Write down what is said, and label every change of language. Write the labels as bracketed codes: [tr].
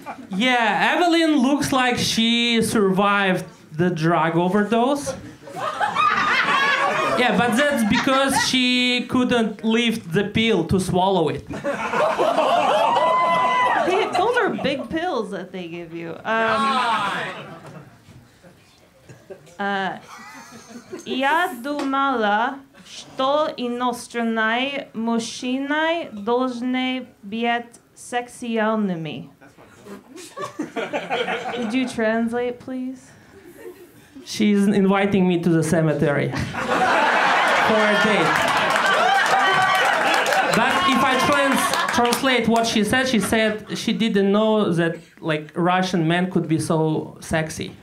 [en] Yeah, Evelyn looks like she survived the drug overdose. Yeah, but that's because she couldn't lift the pill to swallow it. Those are big pills that they give you. [ru] Я думала, что иностранные мужчины должны быть сексуальными. [en] Could you translate, please? She's inviting me to the cemetery for a date. But if I translate what she said she didn't know that like Russian men could be so sexy.